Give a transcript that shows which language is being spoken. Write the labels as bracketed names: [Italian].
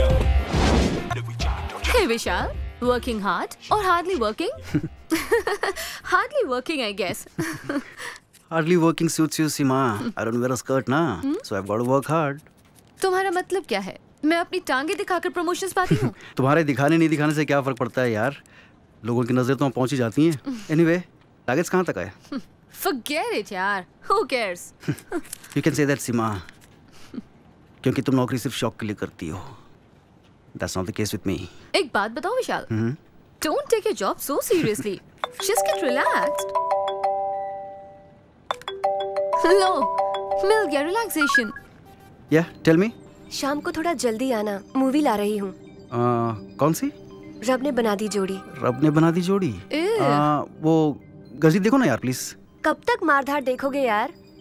[English] Hey Vishal, working hard or hardly working? Hardly working, I guess. Hardly working suits you, Sima. I don't wear a skirt, na. So I've got to work hard. [Hindi] तुम्हारा मतलब क्या है? मैं अपनी टांगे दिखाकर promotions पाती हूँ? तुम्हारे दिखाने नहीं दिखाने से क्या फर्क पड़ता है यार? लोगों की नजरें तो वहाँ पहुँची जाती हैं. Anyway, लगेज कहाँ तक आया? [English] Forget it, यार. Who cares? You can say that, Sima. [Hindi] क्योंकि तुम नौकरी सिर्फ शौक के लिए करती हो. [English] That's not the case with me. [Hindi] एक बात बताओ विशाल. [English] Don't take your job so seriously. Just get relaxed. Hello. [Hindi] मिल गया relaxation. [English] Yeah, tell me. [Hindi] शाम को थोड़ा जल्दी आना, मूवी ला रही हूँ. कौन सी? रब ने बना दी जोड़ी. रब ने बना दी जोड़ी? वो गजी देखो ना यार, प्लीज. कब तक मारधार देखोगे यार?